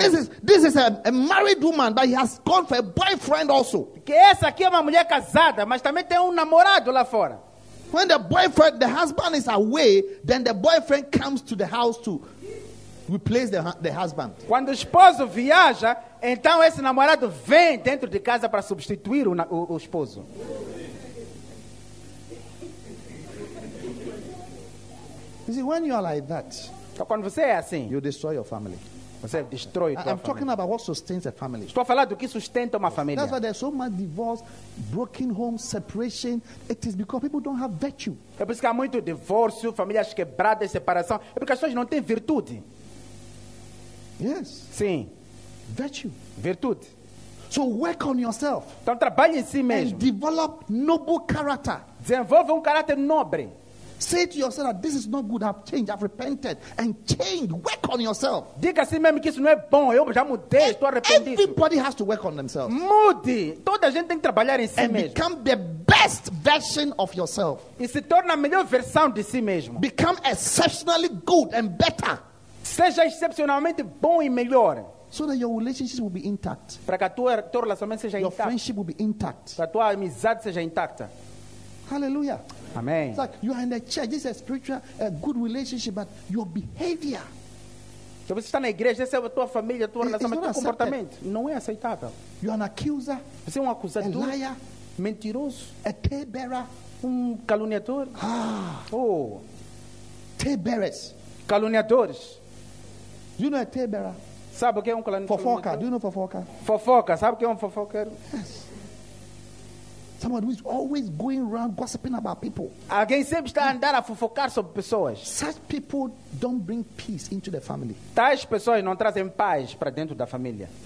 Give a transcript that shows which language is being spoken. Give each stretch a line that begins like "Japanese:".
English: This is a married woman that has gone for a boyfriend also.
Portuguese: Que essa aqui é uma mulher casada, mas também tem namorado lá fora.
English: When the husband is away, then the boyfriend comes to the house to replace the husband.
Portuguese: Quando o esposo viaja, então esse namorado vem dentro de casa para substituir o esposo.
English: You see, when you are like that,
Portuguese: então, quando você é assim,
English: you destroy your family.
Portuguese: Você destrói
English: a I'm talking about what sustains a family.
Portuguese: Estou a falar do que sustenta uma família.
English: That's why there's so much divorce, broken home, separation. It is because people don't have virtue.
Portuguese: É por isso que há muito divórcio, famílias quebradas, separação. É porque as pessoas não têm virtude.
English: Yes.
Portuguese: Sim.
English: Virtue.
Portuguese: Virtude.
English: So work on yourself.
Portuguese: Então trabalhe em si mesmo.
English: And develop noble character.
Portuguese: Desenvolve caráter nobre.
English: Say to yourself that this is not good. I've changed. I've repented and changed. Work on yourself.
Portuguese: Diga assim mesmo que isso não é bom. Eu já mudei. Estou arrependido.
English: Everybody has to work on themselves.
Portuguese: Mude. Toda gente tem que trabalhar em si
English: and And become the best version of yourself.
Portuguese: E se torna a melhor versão de si mesmo.
English: Become exceptionally good and better.
Portuguese: Seja excepcionalmente bom e melhor.
English: So that your relationship will be intact.
Portuguese: Para que a tua relacionamento seja
English: intacto. Your friendship will be intact.
Portuguese: Para tua amizade seja intacta.
English: Hallelujah. Amen. It's like you are in the church. This is a spiritual, a good relationship, but your behavior.
Portuguese: Se você está na igreja, essa é a tua família, a tua relação, mas o teu comportamento não é aceitável.
English: You are an accuser.
Portuguese: Você é um acusador.
English: A liar.
Portuguese: Mentiroso.
English: A tale-bearer.
Portuguese: Um caluniador. Ah. Oh.
English: Tale-bearers.
Portuguese: Caluniadores.
English: Do you know a tale-bearer?
Portuguese: Sabe o que é um caluniador?
English: Fofoca. Do you know fofoca?
Portuguese: Fofoca. Sabe o que é um fofoqueiro?
English: Yes. Someone who is always going around gossiping about people.
Portuguese: Alguém sempre está andando a fofocar sobre pessoas.
English: Such people don't bring peace into the family.
Portuguese: Tais pessoas não trazem paz para dentro da família.